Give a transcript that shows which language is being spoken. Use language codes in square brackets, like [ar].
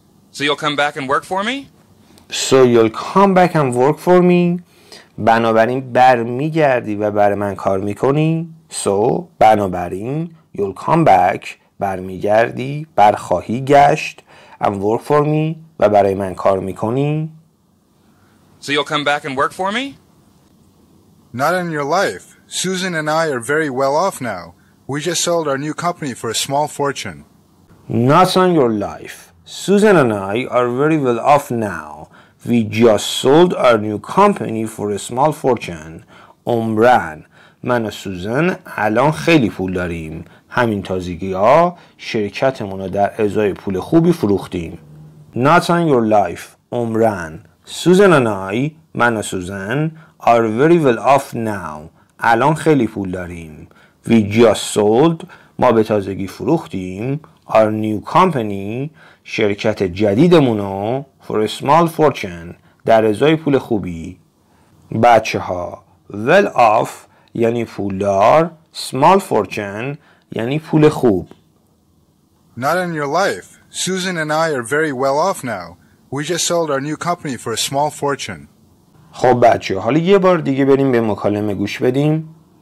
[en] So you'll come back and work for me? So you'll come back and work for me? [fa] بنابراین برمیگردی و بر من کار میکنی؟ So, بنابراین [en] you'll come back, [fa] برمیگردی، برخواهی گشت [en] and work for me [fa] و برای من کار میکنی؟ [en] So you'll come back and work for me? Not in your life. Susan and I are very well off now. We just sold our new company for a small fortune. Not on your life. Susan and I are very well off now. We just sold our new company for a small fortune. [fa] عمران، من و سوزن الان خیلی پول داریم. همین تازگی ها شرکتمون رو در ازای پول خوبی فروختیم. [en] Not on your life. عمران، Susan and I، [fa] من و سوزن، [en] are very well off now. [fa] الان خیلی پول داریم. [en] We just sold، [fa] ما به تازگی فروختیم، [en] our new company، [fa] شرکت جدیدمونو، [en] for a small fortune، [fa] در ازای پول خوبی. بچه ها، well off یعنی پولدار، small fortune یعنی پول خوب. [en] Not in your life. Susan and I are very well off now. We just sold our new company for a small fortune. [fa] خب بچه ها، حالا یه بار دیگه بریم به مکالمه گوش بدیم.